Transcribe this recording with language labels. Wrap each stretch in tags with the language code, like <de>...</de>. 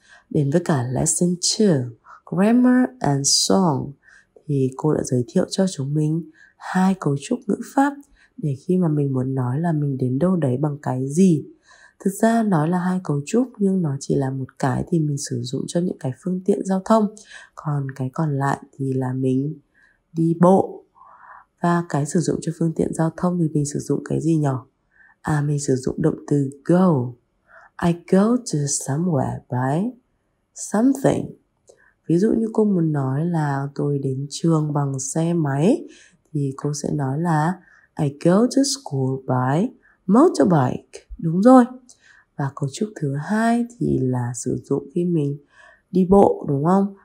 <vi>Đến với cả lesson 2, grammar and song, thì cô đã giới thiệu cho chúng mình hai cấu trúc ngữ pháp để khi mà mình muốn nói là mình đến đâu đấy bằng cái gì. Thực ra nói là hai cấu trúc nhưng nó chỉ là một cái thì mình sử dụng cho những cái phương tiện giao thông, còn cái còn lại thì là mình đi bộ. Và cái sử dụng cho phương tiện giao thông thì mình sử dụng cái gì nhỉ? Mình sử dụng động từ go.</vi> <en>I go to somewhere by something.</en> <vi>Ví dụ như cô muốn nói là tôi đến trường bằng xe máy thì cô sẽ nói là</vi> <en>I go to school by motorbike.</en> <vi>Đúng rồi. Và cấu trúc thứ hai thì là sử dụng khi mình đi bộ đúng không?</vi>